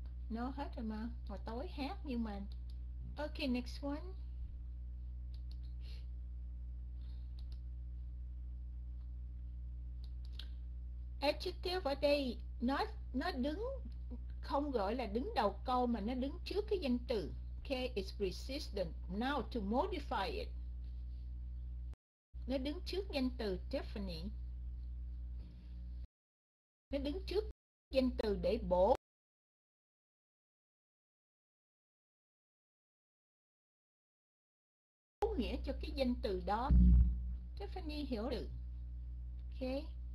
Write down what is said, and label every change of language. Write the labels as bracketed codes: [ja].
[vi] No, hết rồi mà. Hồi tối hát nhưng mà. Okay, next one. Adjective ở đây nó đứng không gọi là đứng đầu câu mà nó đứng trước cái danh từ. [en] Okay, it precedes the noun to modify it. [vi] Nó đứng trước danh từ Tiffany. Nó đứng trước danh từ để bổ. Nghĩa cho cái danh từ đó. Tiffany hiểu được. Okay.